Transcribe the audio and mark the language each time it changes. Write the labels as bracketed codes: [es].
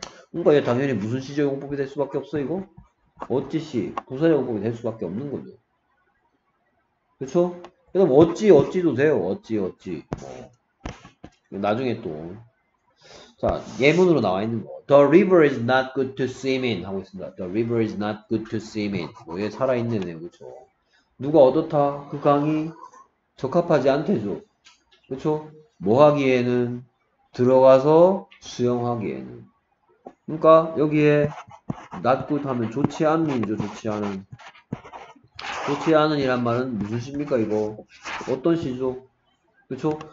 [ko] 그러니까 얘 당연히 무슨 시제 용법이 될 수밖에 없어, 이거? 어찌 시, 부사 용법이 될 수밖에 없는 거죠. 그쵸? 그럼 어찌 어찌도 돼요. 어찌 어찌. 나중에 또. 자, 예문으로 나와 있는 거. [en] The river is not good to swim in. [ko] 하고 있습니다. [en] The river is not good to swim in. [ko] 뭐, 얘 살아있는 애, 그쵸? 누가 어떻다? 그 강이 적합하지 않대죠. 그쵸? 뭐 하기에는? 들어가서 수영하기에는. 그러니까 여기에 [en] not good [ko] 하면 좋지 않는이죠. 좋지 않은, 좋지 않은이란 말은 무슨 시입니까, 이거? 어떤 시죠? 그렇죠?